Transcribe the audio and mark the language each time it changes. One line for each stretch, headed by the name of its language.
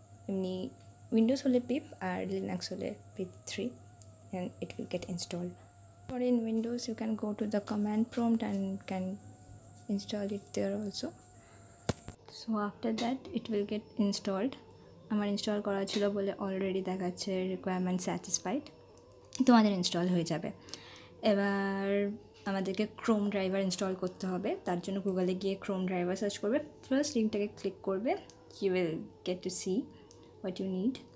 Bangla: এমনি উইন্ডোজ হলে pip আর Linux হলে pip3
English: And it will get install. For in Windows you can go to the command prompt and can install it there also. So after that it will get installed.
Bangla: আমার install করা ছিল বলে already দেখাচ্ছে requirement satisfied, তোমাদের install হয়ে যাবে। এবার আমাদেরকে ক্রোম ড্রাইভার ইনস্টল করতে হবে, তার জন্য গুগলে গিয়ে ক্রোম ড্রাইভার সার্চ করবে, ফার্স্ট লিঙ্কটাকে ক্লিক করবে,
English: You will get to see what you need.